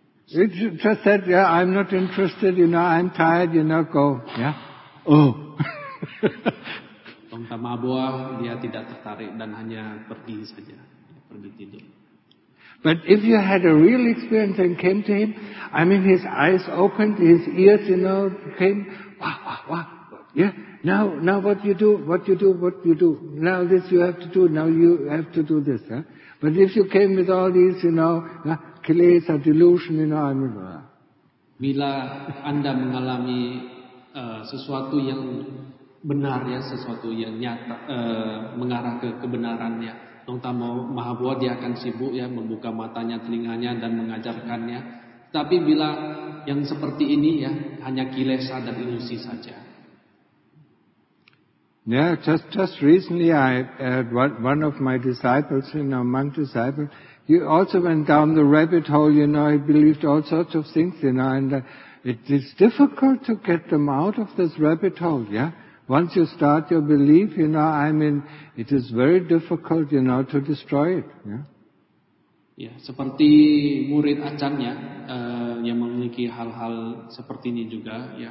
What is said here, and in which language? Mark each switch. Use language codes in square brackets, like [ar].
[en] He just said, yeah, I'm not interested, you know, I'm tired, you know, go. Yeah. Oh. [id] Lungda Mahabo, dia tidak tertarik dan hanya pergi saja. Pergi tidur. [en] But if you had a real experience and came to him, I mean, his eyes opened, his ears, you know, came, wah, wah, wah. Yeah. Now what you do, now this you have to do, now you have to do this, huh? But if you came with all these, you know, kilesa, delusion, you know, I mean, [id] Bila Anda mengalami sesuatu yang benar ya, sesuatu yang nyata, mengarah ke kebenarannya, terutama Mahabuwa, dia akan sibuk ya, membuka matanya, telinganya, dan mengajarkannya. Tapi bila yang seperti ini ya, hanya kilesa dan ilusi saja. [en] Yeah, just recently I had one of my disciples, you know, monk disciple, he also went down the rabbit hole, you know, he believed all sorts of things, you know, and it's difficult to get them out of this rabbit hole, yeah? Once you start your belief, you know, I mean, it is very difficult, you know, to destroy it, yeah? [id] Yeah, seperti murid Achan, ya, yang memiliki hal-hal seperti ini juga, ya.